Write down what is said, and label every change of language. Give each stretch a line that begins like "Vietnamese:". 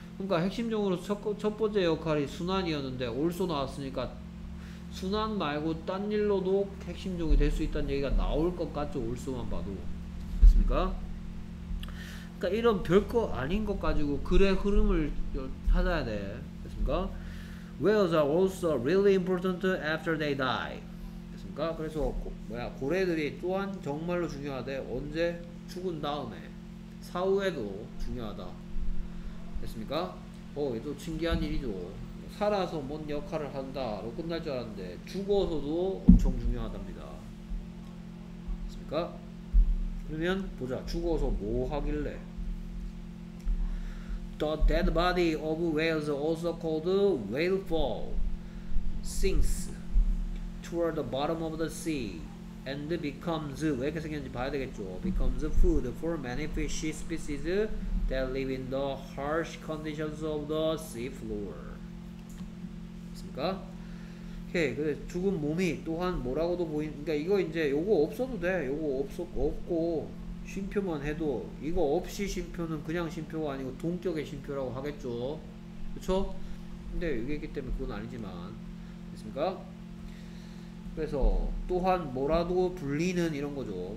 Korean: 그러니까 핵심종으로 첫 번째 역할이 순환이었는데 also 나왔으니까 순환 말고 딴 일로도 핵심종이 될 수 있다는 얘기가 나올 것 같죠, also만 봐도. 됐습니까? 그러니까 이런 별거 아닌 것 가지고 글의 흐름을 찾아야 돼. 됐습니까?
English: Whales are also really important after they die.
Korean: 됐습니까? 그래서 고래들이 또한 정말로 중요하대. 언제? 죽은 다음에. 사후에도 중요하다. 됐습니까? 이것도 신기한 일이죠. 살아서 뭔 역할을 한다로 끝날 줄 알았는데 죽어서도 엄청 중요하답니다. 됐습니까? 그러면 보자. 죽어서 뭐 하길래?
English: The dead body of whales also called whale fall sinks toward the bottom of the sea and becomes
Korean: 왜 이렇게 생겼는지 봐야 되겠죠.
English: becomes food for many fish species that live in the harsh conditions of the sea floor.
Korean: 됐습니까? 오케이. 근데 죽은 몸이 또한 뭐라고도 보인 그러니까 이거 이제 요거 없어도 돼. 요거 없고 쉼표만 해도 이거 없이 쉼표는 그냥 쉼표가 아니고 동격의 쉼표라고 하겠죠. 그쵸? 근데 얘기했기 때문에 그건 아니지만 됐습니까? 그래서 또한 뭐라도 불리는 이런 거죠.